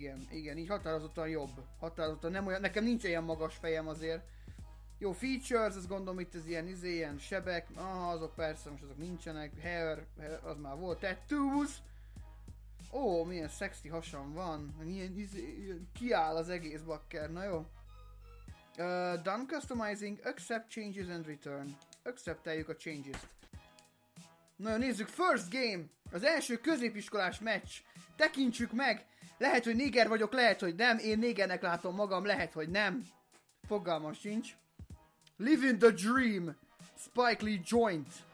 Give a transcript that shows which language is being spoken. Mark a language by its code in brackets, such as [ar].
[hu] Igen, így határozottan jobb. Határozottan nem olyan, nekem nincs ilyen magas fejem azért. Jó, features, ez gondolom itt ez ilyen izé, ilyen sebek, aha, azok persze, most azok nincsenek, hair, az már volt, tattoos. Ó, milyen sexy hasam van, milyen izé, kiáll az egész bakker, na jó. [en] Done customizing, accept changes and return. [hu] Accepteljük a changes-t. Na jó, nézzük, first game, az első középiskolás meccs, tekintsük meg, lehet, hogy néger vagyok, lehet, hogy nem, én négernek látom magam, lehet, hogy nem, fogalmam sincs. [en] Living the dream! Spike Lee joint!